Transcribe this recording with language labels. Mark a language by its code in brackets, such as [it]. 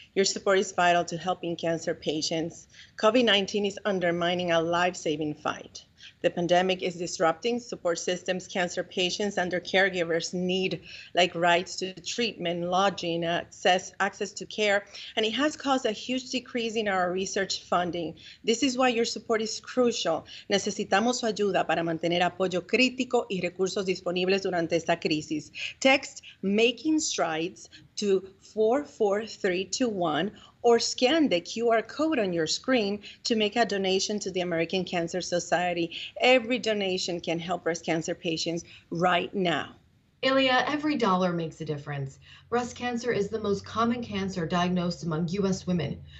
[en] Your support is vital to helping cancer patients. COVID-19 is undermining a life-saving fight. The pandemic is disrupting support systems cancer patients and their caregivers need, like rights to treatment, lodging, access to care, and it has caused a huge decrease in our research funding. This is why your support is crucial. [es] Necesitamos su ayuda para mantener apoyo crítico y recursos disponibles durante esta crisis. [en] Text Making Strides to 44321 or scan the QR code on your screen to make a donation to the American Cancer Society. Every donation can help breast cancer patients right now. Ilya, every dollar makes a difference. Breast cancer is the most common cancer diagnosed among U.S. women.